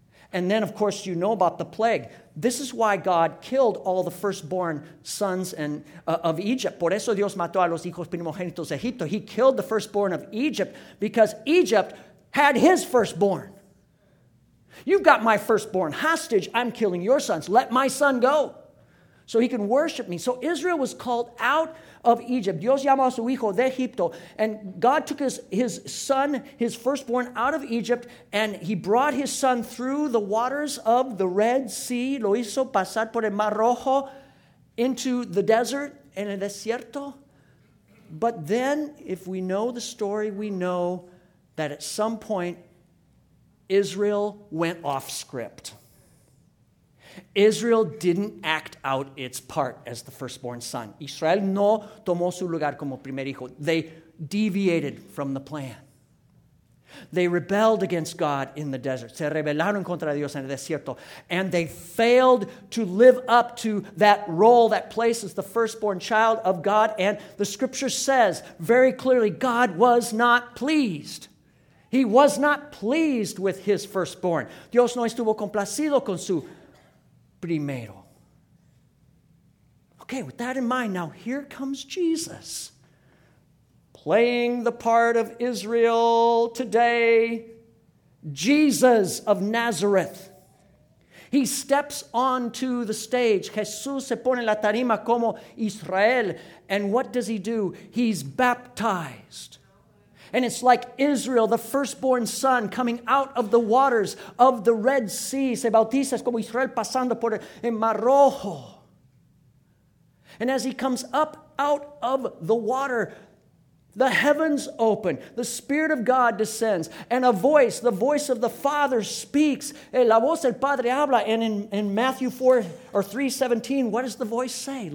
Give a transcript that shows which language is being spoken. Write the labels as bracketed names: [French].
[English] And then, of course, you know about the plague. This is why God killed all the firstborn sons of Egypt. [Spanish] Por eso Dios mató a los hijos primogénitos de Egipto. [English] He killed the firstborn of Egypt because Egypt had his firstborn. You've got my firstborn hostage. I'm killing your sons. Let my son go. so he can worship me. So Israel was called out of Egypt. [Spanish] Dios llamó a su hijo de Egipto. [English] And God took his son, his firstborn, out of Egypt, and he brought his son through the waters of the Red Sea. [Spanish] Lo hizo pasar por el Mar Rojo [English] into the desert, [Spanish] en el desierto. [English] But then, if we know the story, we know that at some point, Israel went off script. Israel didn't act out its part as the firstborn son. [Spanish] Israel no tomó su lugar como primer hijo. [English] They deviated from the plan. They rebelled against God in the desert. [Spanish] Se rebelaron contra Dios en el desierto. [English] And they failed to live up to that role, that place as the firstborn child of God. And the scripture says very clearly, God was not pleased. He was not pleased with his firstborn. [Spanish] Dios no estuvo complacido con su primero. [English] Okay, with that in mind, now here comes Jesus, playing the part of Israel today, Jesus of Nazareth. He steps onto the stage. [Spanish] Jesús se pone la tarima como Israel. [English] And what does he do? He's baptized. And it's like Israel, the firstborn son, coming out of the waters of the Red Sea. [Spanish] Se bautiza como Israel pasando por el Mar Rojo. [English] And as he comes up out of the water, the heavens open. The Spirit of God descends. And a voice, the voice of the Father, speaks. [Spanish] La voz del Padre habla. [English] And in Matthew 4 or 3:17, what does the voice say?